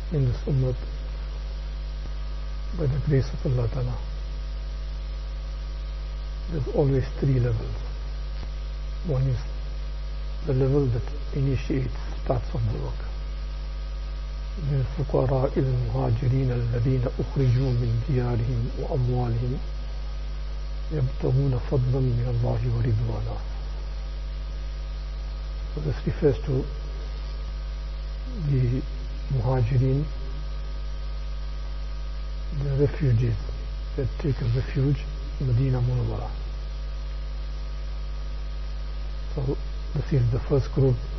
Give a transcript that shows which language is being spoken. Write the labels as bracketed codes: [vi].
[en] in this ummah by the grace of Allah Ta'ala. There's always three levels. One is the level that initiates, starts on the work. [ar] من الفقراء المهاجرين الذين أخرجوا من ديارهم وأموالهم يبتغون فضلا من الله ورضوانا. [en] So this refers to the muhajirin, the refugees that take refuge in Medina Munawwara. So this is the first group.